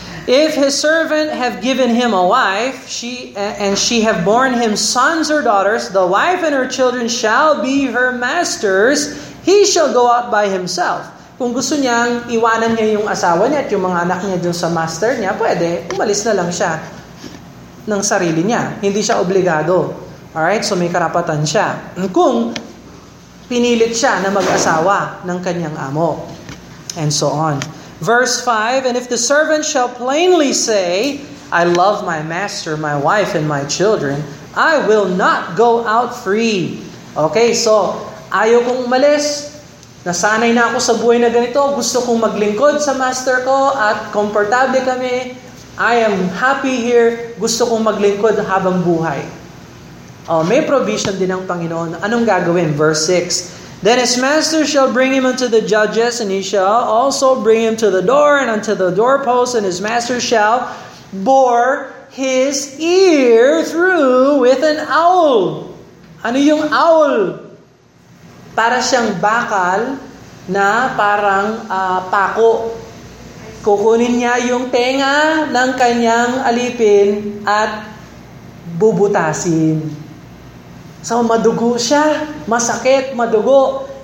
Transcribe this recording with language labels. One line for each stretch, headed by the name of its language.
English: If his servant have given him a wife, she have borne him sons or daughters, the wife and her children shall be her masters. He shall go out by himself.
Filipino: Kung gusto niyang iwanan niya yung asawa niya at yung mga anak niya dun sa master niya, pwede, umalis na lang siya ng sarili niya. Hindi siya obligado. Alright, so may karapatan siya. Kung pinilit siya na mag-asawa ng kanyang amo.
English: And so on. Verse 5, and if the servant shall plainly say, I love my master, my wife, and my children, I will not go out free.
Filipino: Okay, so ayaw kong umalis. Nasanay na ako sa buhay na ganito. Gusto kong maglingkod sa master ko at komportable kami.
English: I am happy here.
Filipino: Gusto kong maglingkod habang buhay. Oh, may provision din ng Panginoon. Anong gagawin? Verse 6.
English: Then his master shall bring him unto the judges, and he shall also bring him to the door and unto the doorpost, and his master shall bore his ear through with an awl.
Filipino: Ano yung awl? Para siyang bakal na parang pako. Kukunin niya yung tenga ng kanyang alipin at bubutasin. So madugo siya, masakit, madugo.